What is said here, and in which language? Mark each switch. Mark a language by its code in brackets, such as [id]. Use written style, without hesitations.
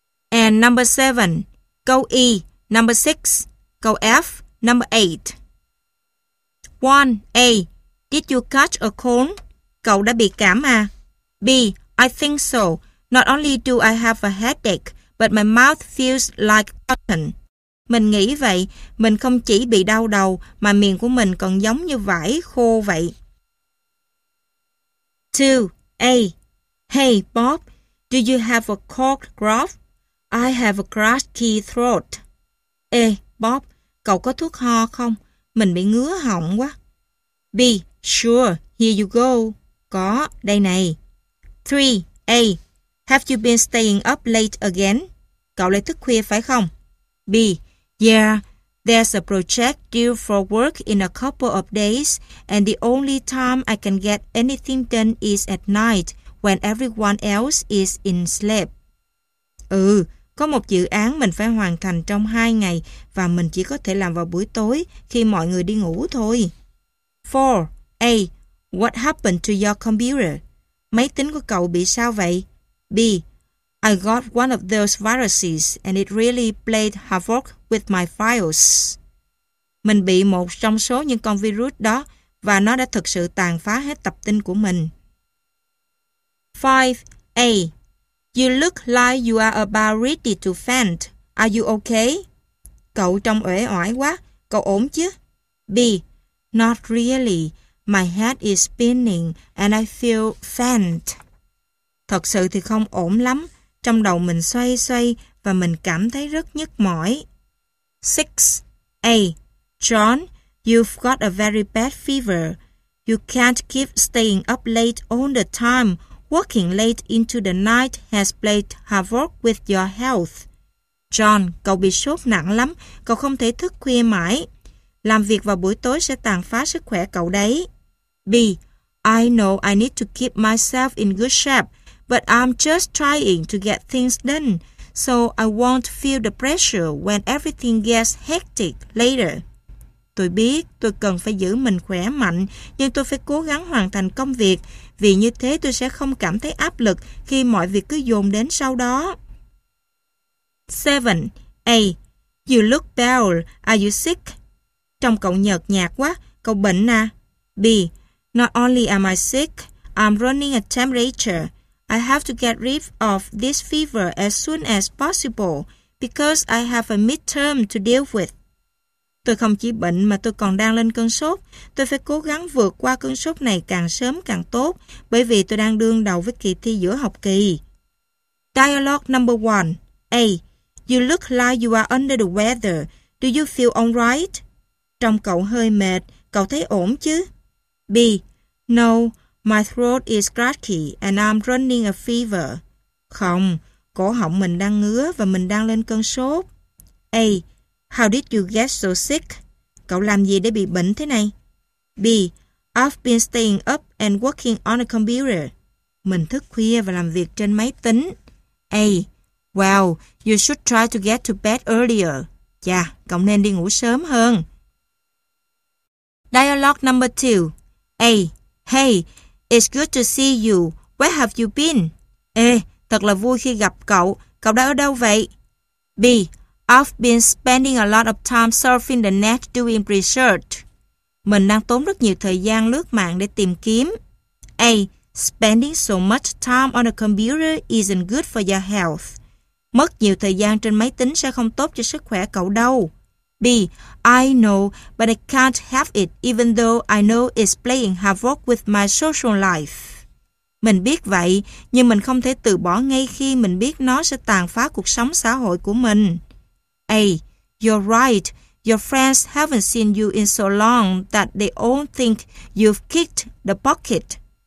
[en] And number 7, go E, number 6, go F, number 8. 1. A. Did you catch a cold? [vi] Cậu đã bị cảm à? [en] B. I think so. Not only do I have a headache, but my mouth feels like cotton. [vi] Mình nghĩ vậy, mình không chỉ bị đau đầu, mà miệng của mình còn giống như vải khô vậy. [en] 2. A. Hey, Bob, do you have a cold drop? I have a crusty throat. A. [vi] Bob, cậu có thuốc ho không? Mình bị ngứa họng quá. B. [en] Sure, here you go. [vi] Có, đây này. [en] 3. A. Have you been staying up late again? [vi] Cậu lại thức khuya phải không? [en] B. Yeah, there's a project due for work in a couple of days, and the only time I can get anything done is at night when everyone else is in sleep. [vi] Ừ. Có một dự án mình phải hoàn thành trong 2 ngày và mình chỉ có thể làm vào buổi tối khi mọi người đi ngủ thôi. 4. A. [en] What happened to your computer? [vi] Máy tính của cậu bị sao vậy? [en] B. I got one of those viruses and it really played havoc with my files. [vi] Mình bị một trong số những con virus đó và nó đã thực sự tàn phá hết tập tin của mình. 5. [en] A. You look like you are about ready to faint. Are you okay? [vi] Cậu trông uể oải quá. Cậu ổn chứ? [en] B. Not really. My head is spinning and I feel faint. [vi] Thật sự thì không ổn lắm. Trong đầu mình xoay xoay và mình cảm thấy rất nhức mỏi. [en] 6. A. John, you've got a very bad fever. You can't keep staying up late all the time. Working late into the night has played havoc with your health. [vi] John, cậu bị sốt nặng lắm. Cậu không thể thức khuya mãi. Làm việc vào buổi tối sẽ tàn phá sức khỏe cậu đấy. [en] B. I know I need to keep myself in good shape, but I'm just trying to get things done, so I won't feel the pressure when everything gets hectic later. [vi] Tôi biết tôi cần phải giữ mình khỏe mạnh, nhưng tôi phải cố gắng hoàn thành công việc, vì như thế tôi sẽ không cảm thấy áp lực khi mọi việc cứ dồn đến sau đó. [en] 7. A. You look pale. Are you sick? [vi] Trông cậu nhợt nhạt quá. Cậu bệnh à? [en] B. Not only am I sick, I'm running a temperature. I have to get rid of this fever as soon as possible because I have a midterm to deal with. [vi] Tôi không chỉ bệnh mà tôi còn đang lên cơn sốt. Tôi phải cố gắng vượt qua cơn sốt này càng sớm càng tốt bởi vì tôi đang đương đầu với kỳ thi giữa học kỳ. [en] Dialogue number 1. A. You look like you are under the weather. Do you feel all right? [vi] Trông cậu hơi mệt. Cậu thấy ổn chứ? [en] B. No, my throat is cracky and I'm running a fever. [vi] Không, cổ họng mình đang ngứa và mình đang lên cơn sốt. [en] A. How did you get so sick? [vi] Cậu làm gì để bị bệnh thế này? [en] B. I've been staying up and working on a computer. [vi] Mình thức khuya và làm việc trên máy tính. [en] A. Well, you should try to get to bed earlier. [vi] Chà, cậu nên đi ngủ sớm hơn. [en] Dialogue number 2. A. Hey, it's good to see you. Where have you been? [vi] Ê, thật là vui khi gặp cậu. Cậu đã ở đâu vậy? [en] B. I've been spending a lot of time surfing the net doing research. [vi] Mình đang tốn rất nhiều thời gian lướt mạng để tìm kiếm. [en] A. Spending so much time on a computer isn't good for your health. [vi] Mất nhiều thời gian trên máy tính sẽ không tốt cho sức khỏe cậu đâu. [en] B. I know, but I can't have it even though I know it's playing havoc with my social life. [vi] Mình biết vậy, nhưng mình không thể từ bỏ ngay khi mình biết nó sẽ tàn phá cuộc sống xã hội của mình. [en] A. You're right. Your friends haven't seen you in so long that they all think you've kicked the bucket.